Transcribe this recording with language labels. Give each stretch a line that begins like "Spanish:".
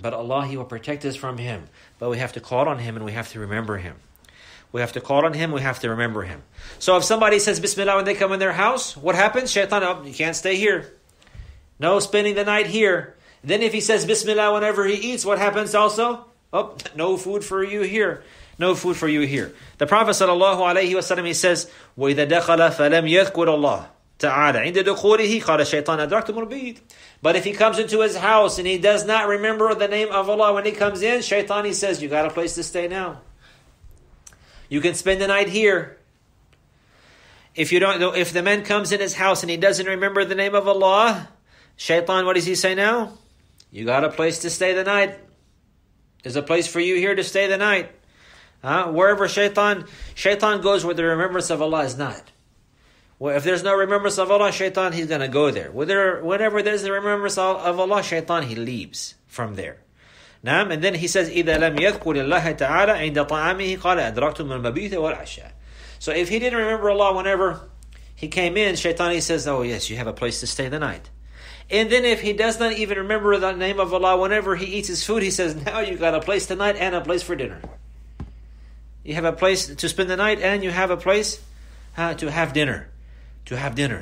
English: But Allah, He will protect us from him. But we have to call on him and we have to remember him. We have to call on him, we have to remember him. So if somebody says Bismillah when they come in their house, what happens? Shaitan, oh, you can't stay here. No spending the night here. Then if he says Bismillah whenever he eats, what happens also? Oh, no food for you here. No food for you here.
Arabic: The Prophet sallallahu alayhi wasallam,
English: he says,
Arabic: وَإِذَا دَخَلَ فَلَمْ يَذْكُرُ اللَّهُ تَعَالَى عِنْدَ دُخُولِهِ قَالَ الشَّيْطَانَ أَدْرَكْتُمُ الْبِيْدِ.
English: But if he comes into his house and he does not remember the name of Allah when he comes in, shaitan, he says, you got a place to stay now. You can spend the night here. If you don't, if the man comes in his house and he doesn't remember the name of Allah, shaitan, what does he say now? You got a place to stay the night. There's a place for you here to stay the night. Wherever shaitan goes where the remembrance of Allah is not. Well, if there's no remembrance of Allah, shaitan, he's going to go there. Whenever there's the remembrance of Allah, shaitan, he leaves from there.
Arabic: Naam,
English: and then he says,
Arabic: إِذَا لَمْ يَذْكُرِ اللَّهَ تَعَالَى عِنْدَ طَعَامِهِ قَالَ أَدْرَكْتُ مِنْ مَبِيْثِ وَالْعَشَاءِ.
English: So if he didn't remember Allah whenever he came in, shaitan, he says, oh yes, you have a place to stay the night. And then if he does not even remember the name of Allah whenever he eats his food, he says, now you got a place tonight and a place for dinner. You have a place to spend the night and you have a place to have dinner. To have dinner.